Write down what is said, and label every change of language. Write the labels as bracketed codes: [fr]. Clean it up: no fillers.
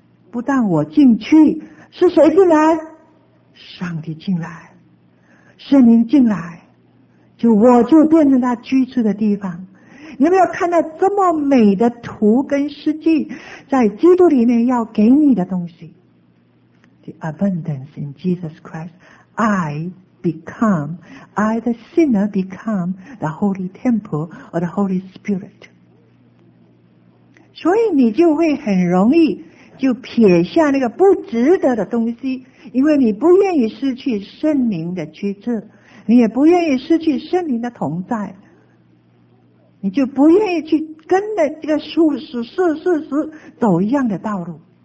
[zh] 不但我进去，是谁进来？上帝进来，圣灵进来，就我就变成他居住的地方。你有没有看到这么美的图跟诗句，在基督里面要给你的东西？ [en] The abundance in Jesus Christ. I become, I the sinner become the holy temple or the Holy Spirit. [zh] 所以你就会很容易就撇下那个不值得的东西，因为你不愿意失去圣灵的居住，你也不愿意失去圣灵的同在，你就不愿意去跟着这个事实走一样的道路。